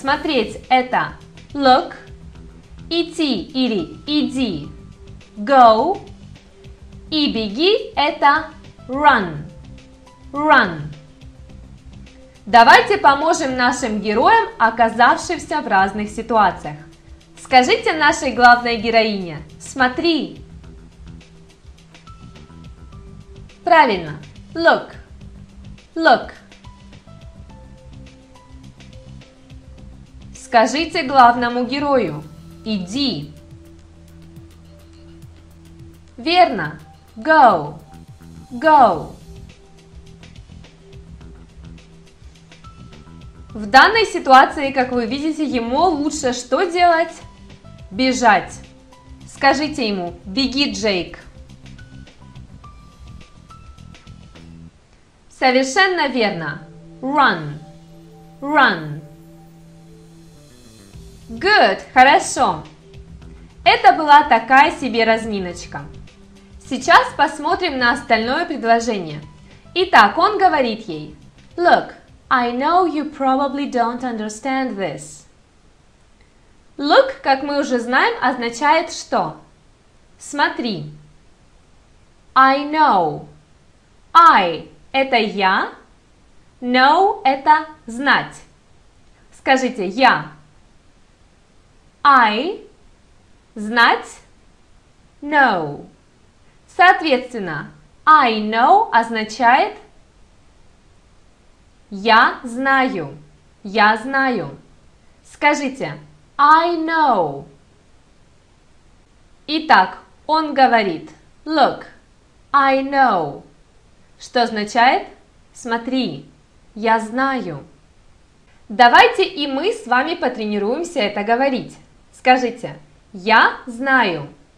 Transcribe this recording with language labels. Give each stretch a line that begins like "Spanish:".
Russian: Смотреть – это look. Идти или иди – go, и беги – это run, run. Давайте поможем нашим героям, оказавшимся в разных ситуациях. Скажите нашей главной героине «смотри». Правильно,
English: look, look. Скажите главному герою «иди».
Russian: Верно.
English: Go. Go.
Russian: В данной ситуации, как вы видите, ему лучше что делать? Бежать. Скажите ему «беги, Джейк». Совершенно верно.
English: Run. Run. Good,
Russian: хорошо. Это была такая себе разминочка. Сейчас посмотрим на остальное предложение. Итак, он говорит ей.
English: Look, I know you probably don't understand this.
Russian: Look, как мы уже знаем, означает что? Смотри.
English: I know.
Russian: I – это я. Know – это знать. Скажите, я.
English: I –
Russian: знать,
English: know.
Russian: Соответственно,
English: I know
Russian: означает «я знаю», «я знаю». Скажите
English: «I know».
Russian: Итак, он говорит
English: «look, I know»,
Russian: что означает «смотри, я знаю». Давайте и мы с вами потренируемся это говорить. Скажите, Я знаю.